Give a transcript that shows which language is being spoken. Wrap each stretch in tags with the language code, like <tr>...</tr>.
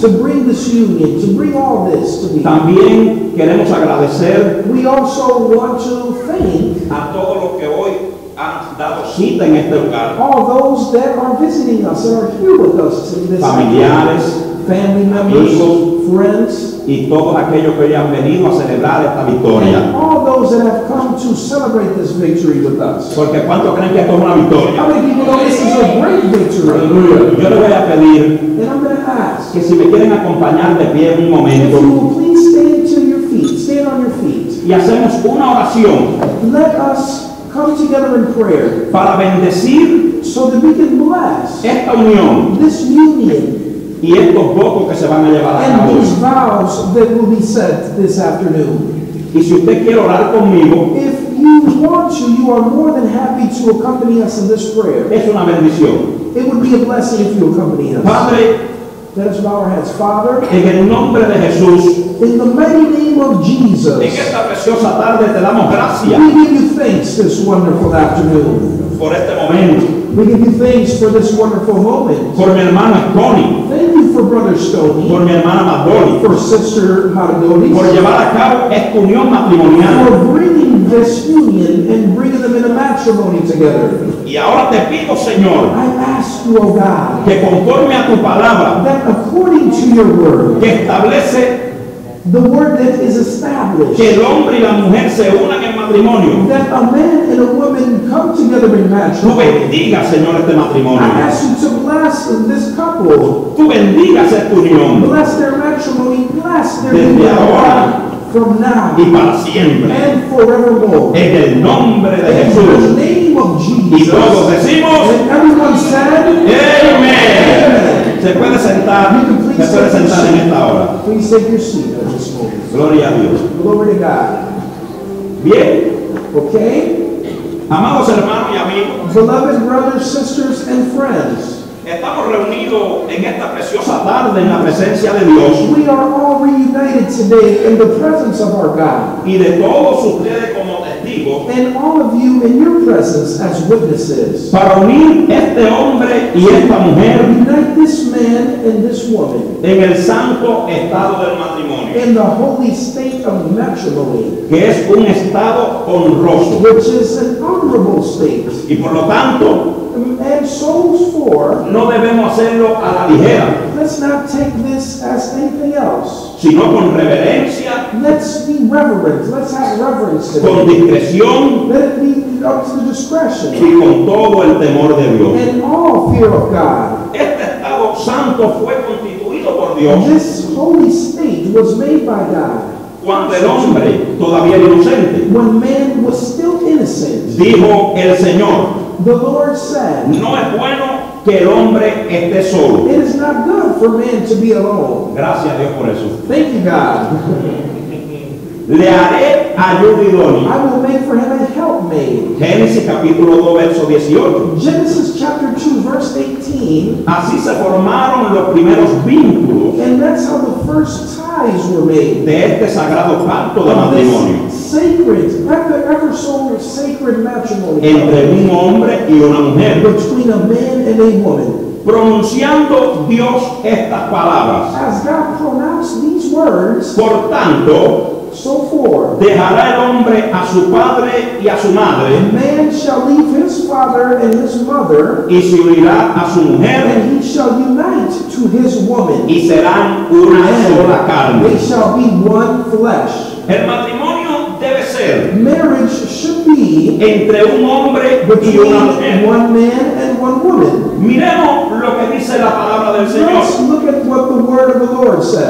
<en>To bring this union, to bring all this to me.</en> <es>También queremos agradecer.</es> <en>We also want to thank.</en> <es>A todos los que hoy. visita en este lugar.</es> <en>All those that are visiting us, there are few with us in this</en> <es>familiares,</es> <en>family members,</en> <es>amigos,</es> <en>friends,</en> <es>y todos aquellos que han venido a celebrar esta victoria.</es> <en>And all those that have come to celebrate this victory with us.</en> <es>Porque ¿cuántos creen que esto es una victoria?</es> <en>How many people know this is a great victory?</en> <es>Aleluya. Yo le voy a pedir que si me quieren acompañar de pie un momento. Y hacemos una oración.</es> <en>Let us come together in prayer.</en> <es>Para bendecir.</es> <en>So that we can bless.</en> <es>Esta unión.</es> <en>This union.</en> <es>Y estos votos que se van a llevar a cabo.</es> <en>And these vows that will be said this afternoon.</en> <es>Y si usted quiere orar conmigo.</es> <en>If you want to, you are more than happy to accompany us in this prayer.</en> <es>Es una bendición.</es> <en>It would be a blessing if you accompany us.</en> <es>Padre.</es> <en>Let us bow our heads. Father.</en> <es>En el nombre de Jesús.</es> <en>In the mighty name of Jesus,</en> <es>en esta preciosa tarde te damos gracias.</es> <en>We give you thanks this wonderful afternoon.</en> <es>Por este momento.</es> <en>We give you thanks for this wonderful moment.</en> <es>Por mi hermana Tony.</es> <en>Thank you for Brother Stoney.</en> <es>Por mi hermana Mardolly.</es> <en>For Sister Mardolly.</en> <es>Por llevar a cabo esta unión matrimonial.</es> <en>For bringing this union and bringing them in a matrimony together.</en> <es>Y ahora te pido, Señor,</es> <en>I ask you, O God,</en> <es>que conforme a tu palabra,</es> <en>that according to your word,</en> <es>que establece</es> <en>the word that is established,</en> <es>que el hombre y la mujer se unan en matrimonio,</es> <en>that a man and a woman come together in matrimony.</en> <es>Tú bendigas, Señor, este matrimonio.</es> <en>I ask you to bless this couple.</en> <es>Tú bendigas esta unión.</es> <en>Bless their matrimony. Bless their</en> <es>desde</es> <en>union.</en> <es>Ahora,</es> <en>from now</en> <es>y para siempre.</es> <en>And forevermore.</en> <es>En el nombre de</es> <en>in</en> <es>Jesús.</es> <en>The name of Jesus.</en> <es>Y todos decimos,</es> <en>and everyone said,</en> <es>amen.</es> <en>Amen.</en> <es>Se puede sentar. Se puede sentar en esta hora.</es> <en>Please take your seat. Moment.</en> <es>Gloria a Dios.</es> <en>Glory to God.</en> <es>Bien.</es> <en>Okay.</en> <es>Amados hermanos y amigos.</es> <en>Beloved brothers, sisters, and friends.</en> <es>Estamos reunidos en esta preciosa tarde en la presencia de Dios.</es> <en>We are all reunited today in the presence of our God.</en> <es>Y de todos ustedes como testigos.</es> <en>And all of you in your presence as witnesses.</en> <es>Para unir este hombre y esta mujer.</es> <en>Unite this man and this woman.</en> <es>En el santo estado del matrimonio.</es> <en>In the holy state of matrimony.</en> <es>Que es un estado honroso.</es> <en>Which is an honorable state.</en> <es>Y por lo tanto.</es> <en>And so for,</en> <es>no debemos hacerlo a la ligera.</es> <en>Let's not take this as anything else.</en> <es>Sino con reverencia.</es> <en>Let's be reverent. Let's have reverence.</en> <es>Con discreción.</es> <en>Let it be up to discretion.</en> <es>Y con todo el temor de Dios.</es> <en>And all fear of God.</en> <es>Este estado santo fue constituido por Dios.</es> <en>This holy state was made by God.</en> <es>Cuando el hombre todavía era inocente.</es> <en>When man was still innocent.</en> <es>Dijo el Señor.</es> <en>The Lord said,</en> <es>no es bueno que el hombre esté solo.</es> <en>It is not good for man to be alone.</en> <es>Gracias a Dios por eso.</es> <en>Thank you, God.</en> <es>Le haré ayuda idónea.</es> <en>I will make for him a helpmate.</en> <es>Génesis capítulo 2, verso 18.</es> <en>Genesis chapter 2, verse 18.</en> <es>Así se formaron los primeros vínculos.</es> <en>And that's how the first ties were made.</en> <es>De este sagrado pacto de matrimonio.</es> <en>Sacred, ever so sacred matrimony.</en> <es>Entre un hombre y una mujer.</es> <en>Between a man and a woman.</en> <es>Pronunciando Dios estas palabras.</es> <en>As God pronounced these words.</en> <es>Por tanto.</es> <en>So for.</en> <es>Dejará el hombre a su padre y a su madre.</es> <en>Man shall leave his father and his mother.</en> <es>Y se unirá a su mujer.</es> <en>And he shall unite to his woman.</en> <es>Y serán una sola carne.</es> <en>They shall be one flesh.</en> <es>El matrimonio debe ser.</es> <en>Marriage should be.</en> <es>Entre un hombre y una mujer.</es> <en>One man and one woman.</en> <es>Miremos lo que dice la palabra del Señor.</es> <en>Let's look at what the word of the Lord says.</en>